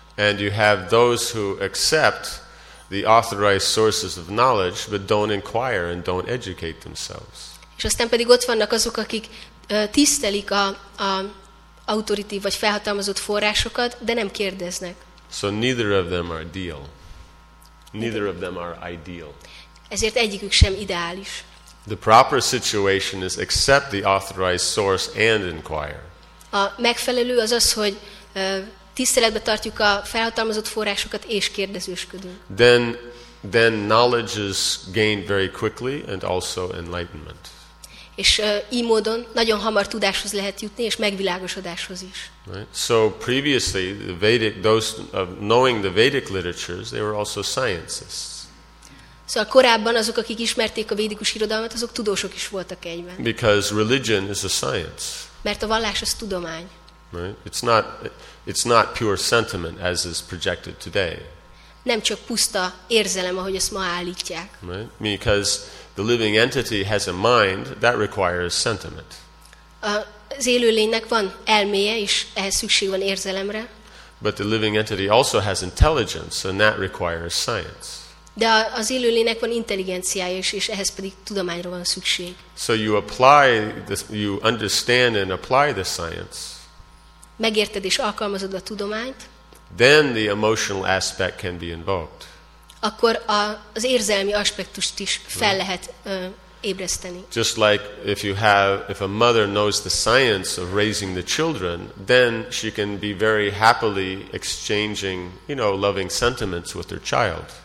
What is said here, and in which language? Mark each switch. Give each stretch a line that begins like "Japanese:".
English: And you have those who accept the authorized sources of knowledge but don't inquire and don't educate themselves.
Hungarian: És aztán pedig ott vannak azok, akik tisztelik a autoritív vagy felhatalmazott forrásokat, de nem kérdeznek.
English: So neither of them are ideal. Neither of them are ideal.
Hungarian: Ezért egyikük sem ideális.
English: The proper situation is accept the authorized source and inquire.
Hungarian: A megfelelő az az, hogy tiszteletbe tartjuk a felhatalmazott forrásokat és kérdezősködünk.
English: Then knowledge is gained very quickly and also enlightenment.
Hungarian: És így módon nagyon hamar tudáshoz lehet jutni, és megvilágosodáshoz is.
English: Right. So previously, the Vedic, those of knowing the Vedic literatures, they were also scientists.
Hungarian: Szóval korábban azok, akik ismerték a védikus irodalmat, azok tudósok is voltak egyben.
English: Because religion is a science.
Hungarian: Mert a vallás az tudomány.
English: Right. It's not pure sentiment, as is projected today.
Hungarian: Nem csak puszta érzelem, ahogy ezt ma állítják.
English: Right. Because the living entity has a mind that requires sentiment.
Hungarian: Az élő lénynek van elméje, és ehhez szükség van érzelemre.
English: But the living entity also has intelligence, and that requires science.
Hungarian: De az élő lénynek van intelligenciája is, és ehhez pedig tudományra van szükség.
English: So you apply this, you understand and apply the science.
Hungarian: Megérted és alkalmazod a tudományt.
English: Then the emotional aspect can be invoked.
Hungarian: Akkor az érzelmi aspektust is fel lehet ébreszteni.
English: Just like if a mother knows the science of raising the children, then she can be very happily exchanging, you know, loving sentiments with her child.